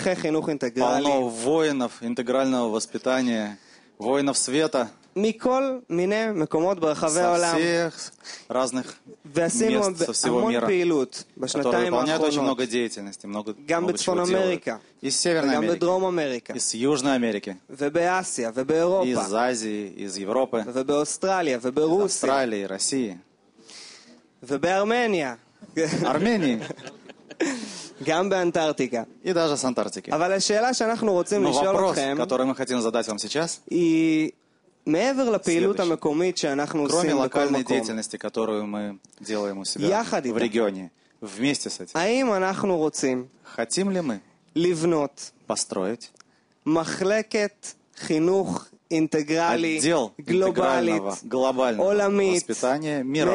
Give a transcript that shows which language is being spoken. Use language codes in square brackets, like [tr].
[ru] полно воинов интегрального воспитания, воинов света. [he] מכל מיני מקומות ברחבי העולם. [ru] Всех разных мест, со всего мира. Которые выполняют очень много деятельности, много чего делают. Из Северной Америки. Из Северной Америки. И Дром Америки. Из Южной Америки. [he] ובאסיה, ובאירופה. [ru] Из Азии, из Европы. [he] ובאוסטרליה, וברוסיה. [ru] Из Австралии, России. [he] ובארמניה. [ru] Армении. [he] גם באנטארקטיקה. [ru] И даже с Антарктики. [he] אבל השאלה שאנחנו רוצים לשאול אתכם, [ru] который мы хотим задать вам сейчас, [he] и מעבר לפעילות המקומית שאנחנו עושים בכל מקום. [ru] Кроме локальной деятельности, которую мы делаем у себя в регионе, вместе с этим. [he] האם אנחנו רוצים? [ru] Хотим ли мы? [he] לבנות. [ru] Построить. [he] מחלקת חינוך אינטגרלי. [ru] Отдел интегрального, глобального воспитания, мировой.